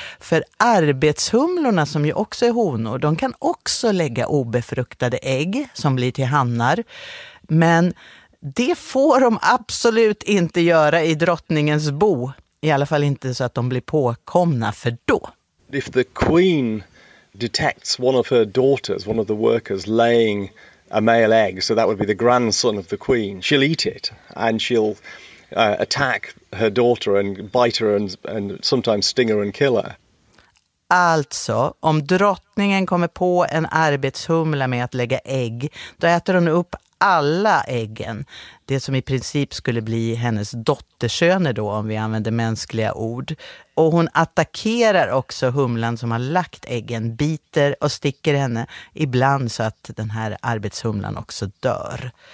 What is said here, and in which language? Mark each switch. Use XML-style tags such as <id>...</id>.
<sv>För arbetshumlorna, som ju också är honor, de kan också lägga obefruktade ägg som blir till hannar. Men det får de absolut inte göra i drottningens bo. I alla fall inte så att de blir påkomna för då.</sv> <en>If the queen detects one of her daughters, one of the workers laying a male egg, so that would be the grandson of the queen, she'll eat it and she'll attack her daughter and bite her and sometimes sting her and kill her.</en> <sv>Alltså, om drottningen kommer på en arbetshumla med att lägga ägg, då äter hon upp alla äggen. Det som i princip skulle bli hennes dotterköner då, om vi använder mänskliga ord. Och hon attackerar också humlan som har lagt äggen, biter och sticker henne ibland så att den här arbetshumlan också dör.</sv>